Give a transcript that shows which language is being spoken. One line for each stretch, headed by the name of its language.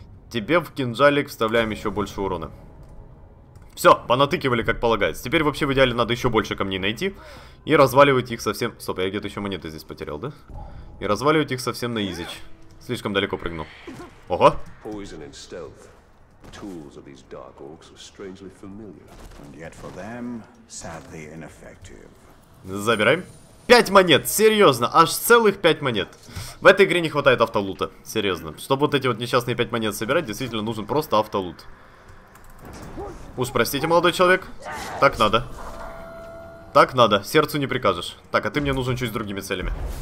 Russian: Тебе в кинжалик вставляем еще больше урона. Все, понатыкивали, как полагается. Теперь вообще в идеале надо еще больше камней найти. И разваливать их совсем... Стоп, я где-то еще монеты здесь потерял, да? И разваливать их совсем на изич. Слишком далеко прыгнул. Ого!
English: Poison and stealth. Tools of these dark orcs are strangely familiar. And yet for them, sadly ineffective.
Russian: Забираем. 5 монет, серьезно, аж целых 5 монет. В этой игре не хватает автолута, серьезно. Чтобы вот эти вот несчастные 5 монет собирать, действительно нужен просто автолут. Уж простите, молодой человек. Так надо. Так надо, сердцу не прикажешь. Так, а ты мне нужен чуть с другими целями.